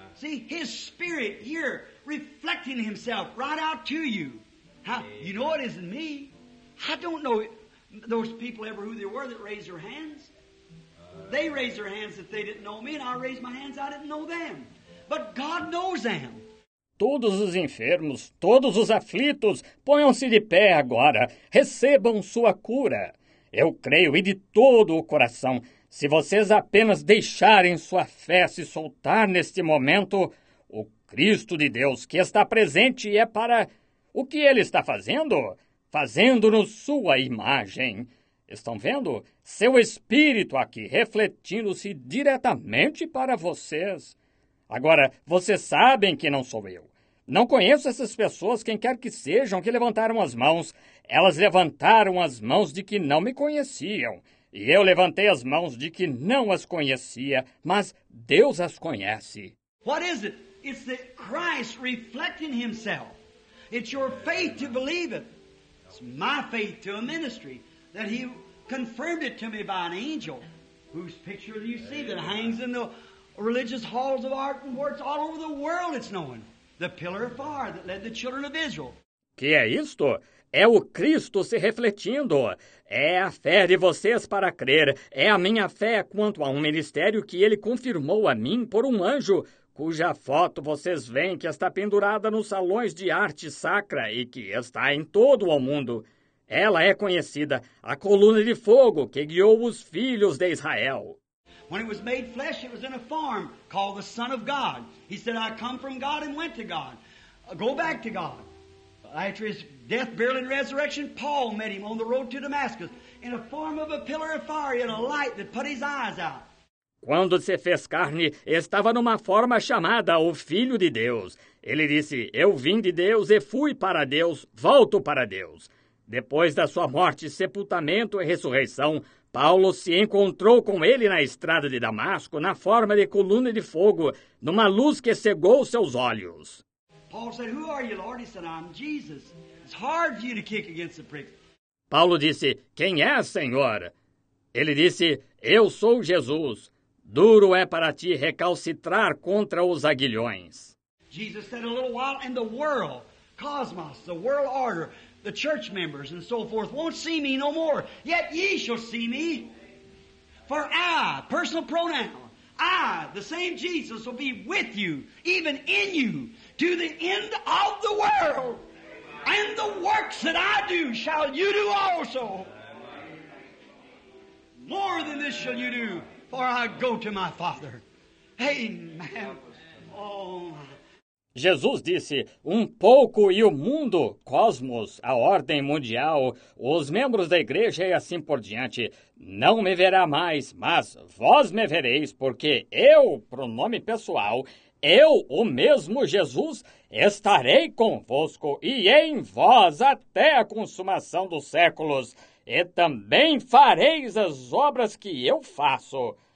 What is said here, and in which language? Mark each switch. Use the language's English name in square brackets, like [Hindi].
[English] See, his spirit here, reflecting himself right out to you. How, you know it isn't me. I don't know those people ever who they were that raised their hands. They raised their hands if they didn't know me, and I raised my hands, I didn't know them. But God knows them. [Portuguese] Todos os enfermos, todos os aflitos, ponham-se de pé agora. Recebam sua cura. Eu creio, e de todo o coração, se vocês apenas deixarem sua fé se soltar neste momento, o Cristo de Deus que está presente é para... O que ele está fazendo? Fazendo-nos sua imagem. Estão vendo? Seu espírito aqui refletindo-se diretamente para vocês. Agora, vocês sabem que não sou eu. Não conheço essas pessoas, quem quer que sejam, que levantaram as mãos. Elas levantaram as mãos de que não me conheciam. E eu levantei as mãos de que não as conhecia, mas Deus as conhece. [English] What is it? It's that Christ reflecting himself. It's your faith to believe it. It's my faith to a ministry that he confirmed it to me by an angel whose picture do you see that hangs in the religious halls of art and courts all over the world. It's known. The pillar of fire that led the children of Israel. [Portuguese] Que é isto? É o Cristo se refletindo. É a fé de vocês para crer. É a minha fé quanto a um ministério que ele confirmou a mim por um anjo, cuja foto vocês veem que está pendurada nos salões de arte sacra e que está em todo o mundo. Ela é conhecida, a coluna de fogo que guiou os filhos de Israel. [English] When it was made flesh, it was in a form called the Son of God. He said, I come from God and went to God. Go back to God. After his death, burial, and resurrection, Paul met him on the road to Damascus in a form of a pillar of fire and a light that put his eyes out. [Portuguese] Quando se fez carne, estava numa forma chamada o Filho de Deus. Ele disse, eu vim de Deus e fui para Deus, volto para Deus. Depois da sua morte, sepultamento e ressurreição, Paulo se encontrou com ele na estrada de Damasco, na forma de coluna de fogo, numa luz que cegou seus olhos. [English] Paul said, who are you, Lord? He said, I'm Jesus. It's hard for you to kick against the pricks. [Portuguese] Paulo disse, quem é, Senhor? Ele disse, eu sou Jesus. Duro é para ti recalcitrar contra os aguilhões. [English] Jesus said, a little while in the world, cosmos, the world order, the church members and so forth won't see me no more. Yet ye shall see me. For I, personal pronoun, I, the same Jesus, will be with you, even in you, to the end of the world. And the works that I do shall you do also. More than this shall you do, for I go to my Father. Amen. Oh. [Portuguese] Jesus disse, um pouco e o mundo, cosmos, a ordem mundial, os membros da igreja e assim por diante, não me verá mais, mas vós me vereis, porque eu, pronome pessoal, eu, o mesmo Jesus, estarei convosco e em vós até a consumação dos séculos, e também fareis as obras que eu faço.